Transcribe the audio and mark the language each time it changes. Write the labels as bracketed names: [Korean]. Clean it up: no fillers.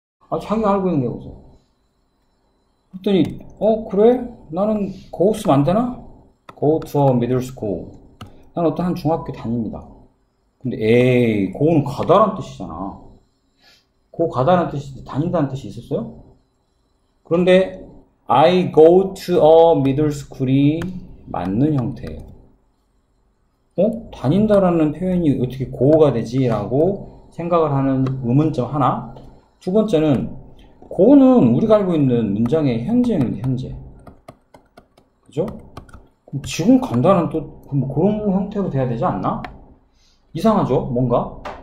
[Korean] 아, 자기가 알고 있는 게 없어. 그랬더니, 그래? 나는 고 없으면 안 되나? [English] Go to a middle school. [Korean] 난 어떤 한 중학교 다닙니다. 근데 에이, 고는 가다란 뜻이잖아. 고 가다란 뜻이지, 다닌다는 뜻이 있었어요? 그런데 [English] I go to a middle school이 [Korean] 맞는 형태예요. 어? 다닌다라는 표현이 어떻게 고가 되지라고 생각을 하는 의문점 하나. 두 번째는 고는 우리가 알고 있는 문장의 현재형입니다. 현재. 그죠? 그럼 지금 간다는 또 그런 형태로 돼야 되지 않나? 이상하죠? 뭔가?